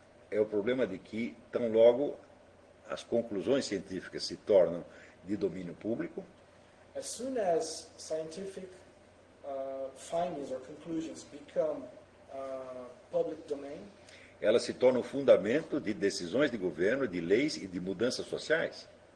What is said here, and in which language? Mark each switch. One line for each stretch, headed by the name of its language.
Portuguese: É o problema de que, tão logo, as conclusões científicas se tornam de domínio público.
English: As soon as scientific findings or conclusions become public domain,
Portuguese: ela se torna o fundamento de decisões de governo, de leis e de mudanças sociais.